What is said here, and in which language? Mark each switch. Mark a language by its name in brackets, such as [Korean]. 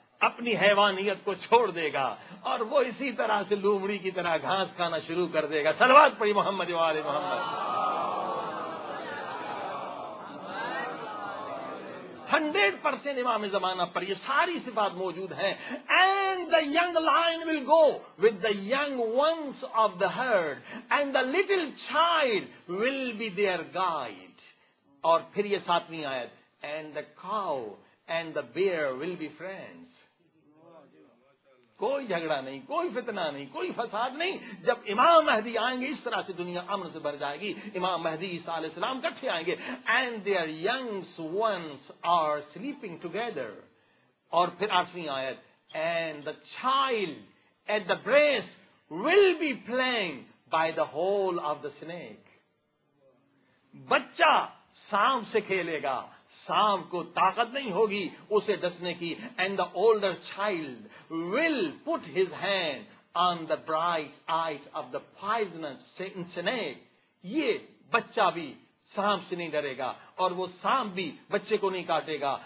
[Urdu] اپنی حیوانیت کو چھوڑ دے گا اور وہ اسی طرح سے لومڑی کی طرح گھاس کھانا شروع کر دے گا. صلوات پڑھی محمد و آل محمد. ہنڈریڈ پرسینٹ امام زمانہ پر یہ ساری صفات موجود ہیں. [English] And the young lion will go with the young ones of the herd and the little child will be there guide. [Urdu] اور پھر یہ ساتویں آیت, [English] And the cow and the bear will be friend. [Urdu] کوئی جھگڑا نہیں, کوئی فتنہ نہیں, کوئی فساد نہیں. جب امام مہدی آئیں گے اس طرح سے دنیا امن سے بھر جائے گی. امام مہدی عیسیٰ علیہ السلام کٹھے آئیں گے. [English] And their young ones are sleeping together. [Urdu] اور پھر آٹھویں آیت, [English] And the child at the breast will be playing by the hole of the snake. [Urdu] بچہ سانپ سے کھیلے گا, سانپ کو طاقت نہیں ہوگی اسے ڈسنے کی. [English] And the older child will put his hand on the bright eyes of the poisonous snake. [Urdu] یہ بچہ بھی سانپ سے نہیں ڈرے گا اور وہ سانپ بھی بچے کو نہیں کاٹے گا.